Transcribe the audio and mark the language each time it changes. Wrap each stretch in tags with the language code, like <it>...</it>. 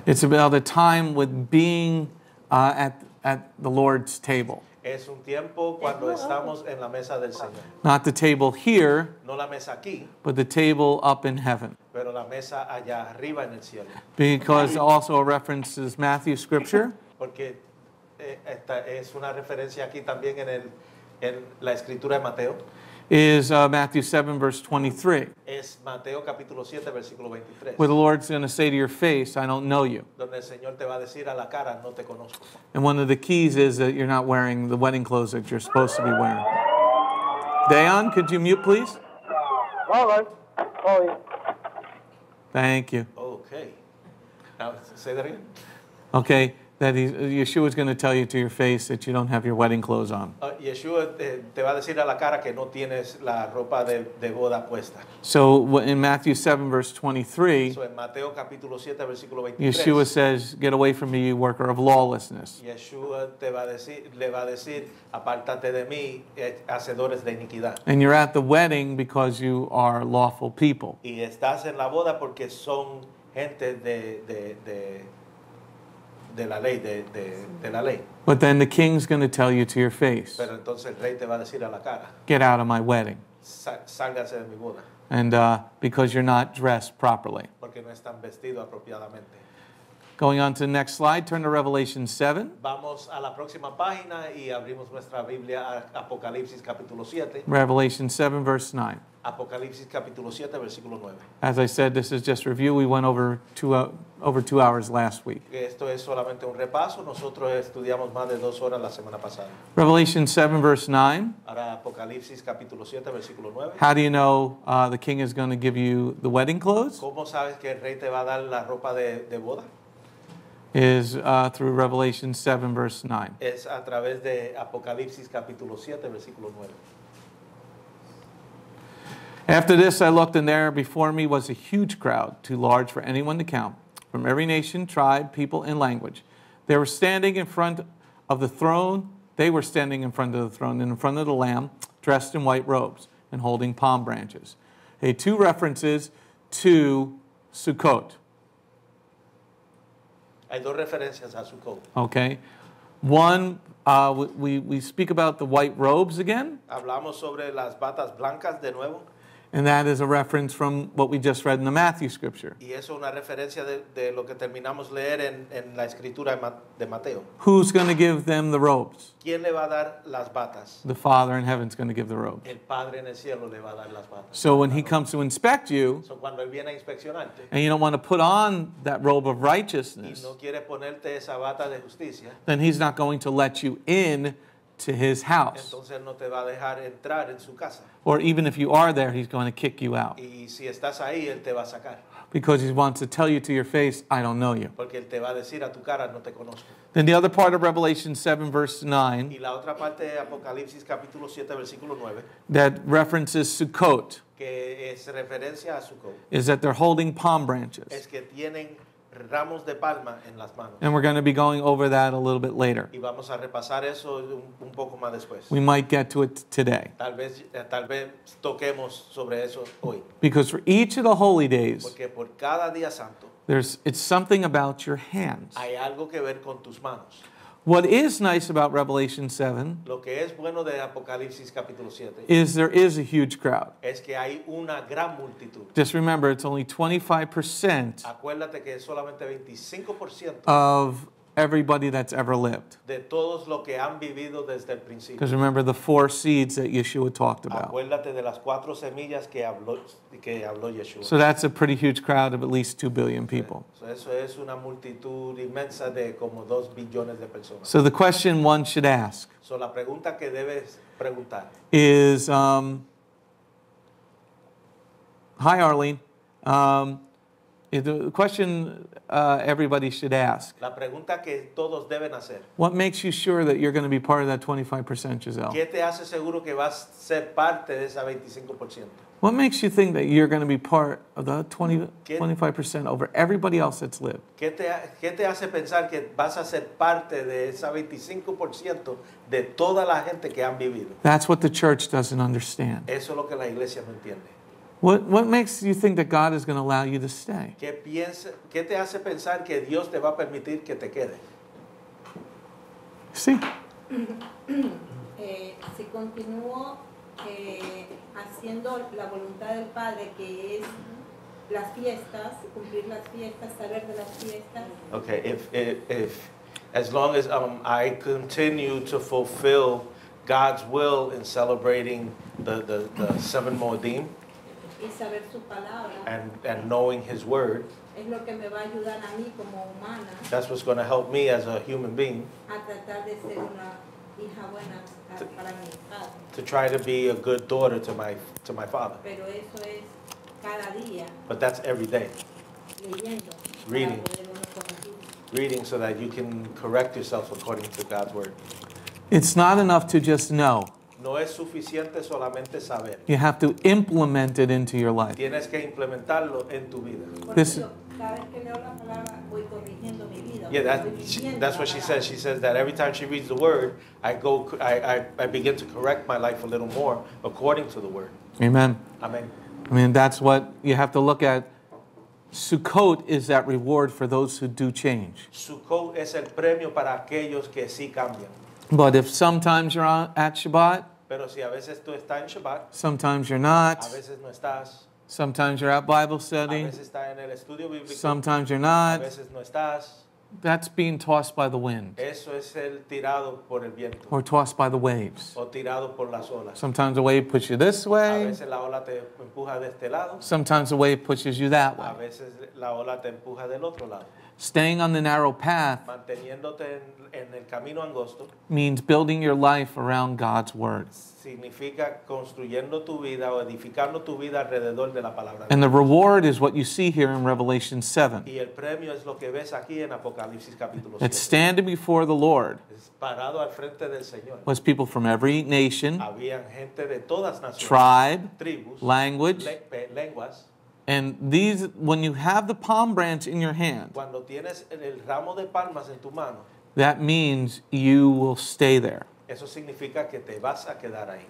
<en>It's about a time with being at the Lord's table.</en> <es>Es un tiempo cuando estamos en la mesa del Señor.</es> <en>Not the table here,</en> <es>no la mesa aquí,</es> <en>but the table up in heaven.</en> <es>Pero la mesa allá arriba en el cielo.</es> <en>Because also references Matthew scripture.</en> <es>Porque esta es una referencia aquí también en el en la escritura de Mateo.</es> <en>Is Matthew 7, verse 23.</en> <es>Es Mateo capítulo 7, versículo 23.</es> <en>Where the Lord's going to say to your face, "I don't know you."</en> <es>Donde el Señor te va a decir a la cara, "No te conozco."</es> <en>And one of the keys is that you're not wearing the wedding clothes that you're supposed to be wearing. Dayan, could you mute, please? All right. Sorry. Thank you. Okay. Now, say that again. Okay. That Yeshua is going to tell you to your face that you don't have your wedding clothes on.</en> <es>Yeshua te va a decir a la cara que no tienes la ropa de boda puesta.</es> <en>So in Matthew 7, verse 23,</en> <es>so en Mateo capítulo 7, versículo 23,</es> <en>Yeshua says, "Get away from me, you worker of lawlessness."</en> <es>Yeshua te va a decir, le va a decir, "Apártate de mí, hacedores de iniquidad."</es> <en>And you're at the wedding because you are lawful people.</en> <es>Y estás en la boda porque son gente de de la ley, de la ley.</es> <en>But then the king's going to tell you to your face,</en> <es>pero entonces el rey te va a decir a la cara,</es> <en>"Get out of my wedding."</en> <es>Sálgase de mi boda.</es> <en>And because you're not dressed properly.</en> <es>Porque no están vestido apropiadamente.</es> <en>Going on to the next slide, turn to Revelation 7.</en> <es>Vamos a la próxima página y abrimos nuestra Biblia a Apocalipsis capítulo 7.</es> <en>Revelation 7 verse 9.</en> <es>Apocalipsis capítulo 7 versículo 9.</es> <en>As I said, this is just review. We went over two hours last week.</en> <es>Esto es solamente un repaso. Nosotros estudiamos más de dos horas la semana pasada.</es> <en>Revelation 7 verse 9.</en> <es>Ahora Apocalipsis capítulo 7 versículo 9.</es> <en>How do you know the king is going to give you the wedding clothes?</en> <es>¿Cómo sabes que el rey te va a dar la ropa de boda?</es> <en>Is through Revelation 7 verse 9.</en> <es>Es a través de Apocalipsis capítulo 7 versículo 9.</es> <en>After this, I looked, and there before me was a huge crowd, too large for anyone to count, from every nation, tribe, people, and language. They were standing in front of the throne. They were standing in front of the throne and in front of the Lamb, dressed in white robes and holding palm branches. Okay, two references to Sukkot.</en> <es>Hay dos referencias a Sukkot.</es> <en>Okay. One, we speak about the white robes again.</en> <es>Hablamos sobre las batas blancas de nuevo.</es> <en>And that is a reference from what we just read in the Matthew scripture.</en> <es>Y eso es una referencia de lo que terminamos leer en la escritura de Mateo.</es> <en>Who's going to give them the robes?</en> <es>¿Quién le va a dar las batas?</es> <en>The Father in heaven is going to give the robes.</en> <es>El Padre en el cielo le va a dar las batas.</es> <en>So when he comes to inspect you,</en> <es>so cuando él viene a inspeccionarte,</es> <en>and you don't want to put on that robe of righteousness,</en> <es>y no quiere ponerte esa bata de justicia,</es> <en>then he's not going to let you in to his house.</en> <es>Entonces él no te va a dejar entrar en su casa.</es> <en>Or even if you are there, he's going to kick you out.</en> <es>Y si estás ahí, él te va a sacar.</es> <en>Because he wants to tell you to your face, I don't know you.</en> <es>Porque él te va a decir a tu cara, no te conozco.</es> <en>Then the other part of Revelation 7, verse 9,</en> <es>y la otra parte de Apocalipsis, capítulo 7, versículo 9,</es> <en>that references Sukkot,</en> <es>que es referencia a Sukkot,</es> <en>is that they're holding palm branches.</en> <es>Es que tienen ramos de palma en las manos.</es> <en>And we're going to be going over that a little bit later.</en> <es>Y vamos a repasar eso un poco más después.</es> <en>We might get to it today.</en> <es>Tal vez toquemos sobre eso hoy.</es> <en>Because for each of the holy days,</en> <es>porque por cada día santo,</es> <en>it's something about your hands.</en> <es>Hay algo que ver con tus manos.</es> <en>What is nice about Revelation 7,</en> <es>lo que es bueno de Apocalipsis capítulo 7,</es> <en>is there is a huge crowd.</en> <es>Es que hay una gran multitud.</es> <en>Just remember, it's only 25%,</en> <es>acuérdate que es solamente 25%</es> <en>of everybody that's ever lived.</en> <es>De todos lo que han vivido desde el principio.</es> <en>Because remember the four seeds that Yeshua talked about.</en> <es>Acuérdate de las cuatro semillas que habló Yeshua.</es> <en>So that's a pretty huge crowd of at least 2 billion people.</en> <es>So eso es una multitud inmensa de como 2 billones de personas.</es> <en>So the question one should ask,</en> <es>so la pregunta que debes preguntar,</es> <en>is, hi Arlene. The question everybody should ask.</en> <es>La pregunta que todos deben hacer.</es> <en>What makes you sure that you're going to be part of that 25%, Giselle?</en> <es>¿Qué te hace seguro que vas a ser parte de esa 25%?</es> <en>What makes you think that you're going to be part of the 25% over everybody else that's lived?</en> <es>¿Qué te hace pensar que vas a ser parte de esa 25% de toda la gente que han vivido?</es> <en>That's what the church doesn't understand.</en> <es>Eso es lo que la iglesia no entiende.</es> <en>What makes you think that God is going to allow you to stay?</en> <es>¿Qué te hace pensar que Dios te va a permitir que te quede? Sí. Si continúo haciendo la voluntad del Padre, que es las fiestas, cumplir las fiestas, saber de las fiestas.</es> <en>Okay, if as long as I continue to fulfill God's will in celebrating the seven Moedim,</en> <es>y saber su palabra,</es> <en>and knowing his word,</en> <es>es lo que me va a ayudar a mí como humana,</es> <en>that's what's going to help me as a human being,</en> <es>a tratar de ser una hija buena para mi padre,</es> <en>to try to be a good daughter to my father.</en> <es>Pero eso es cada día,</es> <en>but that's every day.</en> <es>Leyendo,</es> <en>reading. Reading so that you can correct yourself according to God's word. It's not enough to just know.</en> <es>No es suficiente solamente saber.</es> <en>You have to implement it into your life.</en> <es>Tienes que implementarlo en tu vida. This, cada vez que leo la palabra, voy corrigiendo mi vida.</es> <en>Yeah, that's what she says. She says that every time she reads the word, I begin to correct my life a little more according to the word. Amen. Amen. I mean, that's what you have to look at. Sukkot is that reward for those who do change.</en> <es>Sukkot es el premio para aquellos que sí cambian.</es> <en>But if sometimes you're at Shabbat,</en> <es>pero si a veces tú estás en Shabbat,</es> <en>sometimes you're not,</en> <es>a veces no estás,</es> <en>sometimes you're at Bible study,</en> <es>a veces estás en el estudio bíblico,</es> <en>sometimes you're not,</en> <es>a veces no estás,</es> <en>That's being tossed by the wind.</en> <es>Eso es el tirado por el viento.</es> <en>Or tossed by the waves.</en> <es>O tirado por las olas.</es> <en>Sometimes a wave pushes you this way.</en> <es>A veces la ola te empuja de este lado.</es> <en>Sometimes a wave pushes you that way.</en> <es>A veces la ola te empuja del otro lado.</es> <en>Staying on the narrow path</en> <es>manteniéndote en el camino angosto</es> <en>means building your life around God's word.</en> <es>Significa construyendo tu vida o edificando tu vida alrededor de la palabra.</es> <en>And the reward is what you see here in Revelation 7.</en> <es>Y el premio es lo que ves aquí en Apocalipsis capítulo</es> <en>7. It's standing before the Lord.</en> <es>Es parado al frente del Señor.</es> <en>Was people from every nation.</en> <es>Habían gente de todas naciones.</es> <en>Tribe.</en> <es>Tribus.</es> <en>Language.</en> <es>Lenguas.</es> <en>And these, when you have the palm branch in your hand,</en> <es>cuando tienes el ramo de palmas en tu mano,</es> <en>that means you will stay there.</en> <es>Eso significa que te vas a quedar ahí.</es>